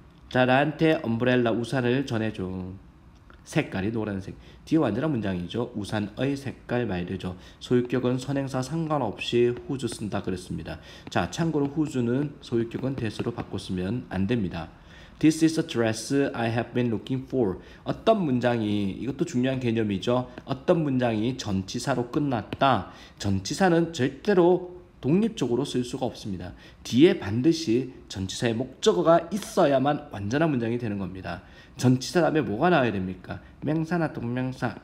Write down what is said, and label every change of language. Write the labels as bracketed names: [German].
[Korean] 자, 나한테 umbrella 우산을 전해줘. 색깔이 노란색. 뒤에 완전한 문장이죠. 우산의 색깔 말이죠. 소유격은 선행사 상관없이 whose 쓴다 그랬습니다. 자, 참고로 whose는 소유격은 that로 바꿨으면 안 됩니다. [English] This is a dress I have been looking for. [Korean] 어떤 문장이, 이것도 중요한 개념이죠. 어떤 문장이 전치사로 끝났다. 전치사는 절대로 독립적으로 쓸 수가 없습니다. 뒤에 반드시 전치사의 목적어가 있어야만 완전한 문장이 되는 겁니다. 전치사 다음에 뭐가 나와야 됩니까? 명사나 동명사.